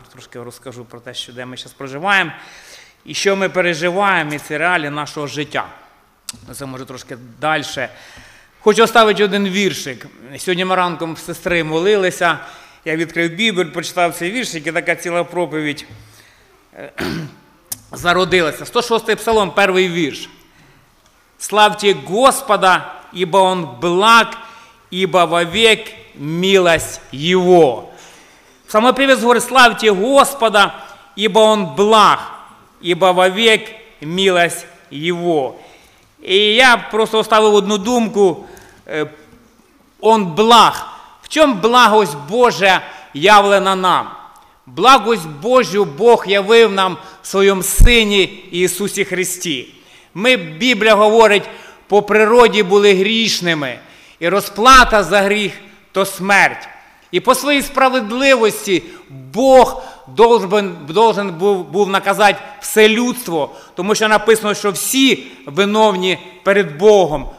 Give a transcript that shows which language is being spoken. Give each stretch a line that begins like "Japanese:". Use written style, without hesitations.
Ukrainian: Трошки розкажу про те, що, де ми зараз проживаємо, і що ми переживаємо, і це реалії нашого життя. Це, може, трошки далі. Хочу оставити один віршик. Сьогодні ми ранком сестри молилися, я відкрив Біблію, прочитав цей віршик, і така ціла проповідь зародилася. 106-й псалом, перший вірш.
Russian: Славьте Господа, ибо Он благ, ибо вовек милость Его. Псалмопевец говорит, славьте Господа, ибо Он благ, ибо вовек милость Его. И я просто оставил одну думку, Он благ. В чем благость Божия явлена нам? Благость Божию Бог явив нам в Своем Сыне Иисусе Христе.
Ukrainian: Ми, Біблія говорить, по природі були грішними, і розплата за гріх – то смерть. І по своїй справедливості Бог должен був наказати все людство, тому що написано, що всі виновні перед Богом.